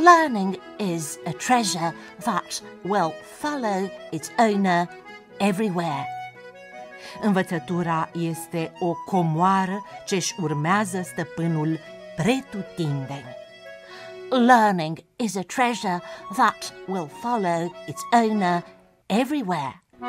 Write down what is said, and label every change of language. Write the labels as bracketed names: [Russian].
[English] Learning is a treasure that will follow its owner everywhere. [Romanian] Învățătura este o comoară ce-și urmează stăpânul pretutindeni. [English] Learning is a treasure that will follow its owner everywhere.